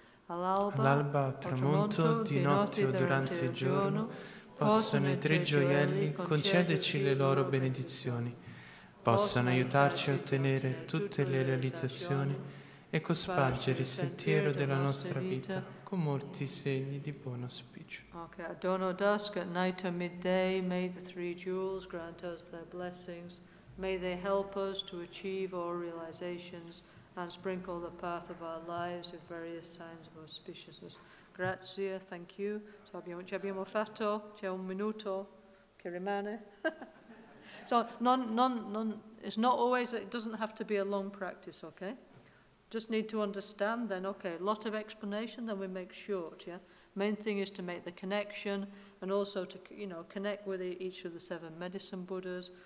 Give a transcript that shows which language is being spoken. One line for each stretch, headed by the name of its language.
Italian: All'alba, tramonto, di notte o durante il giorno, possano i tre gioielli concederci le loro benedizioni, possano aiutarci a ottenere tutte le realizzazioni e cospargere il sentiero della nostra vita con molti segni di buon auspicio.
English: Ok, at dawn or dusk, at night or midday, may the three jewels grant us their blessings. May they help us to achieve all realizations and sprinkle the path of our lives with various signs of auspiciousness.
Italian: Grazie,
English: thank you.
Italian: So ci abbiamo fatto, c'è un minuto che rimane.
English: So non, it's not always, it doesn't have to be a long practice, okay? Just need to understand then, okay, a lot of explanation, then we make short, yeah? Main thing is to make the connection and also to, you know, connect with each of the seven medicine Buddhas.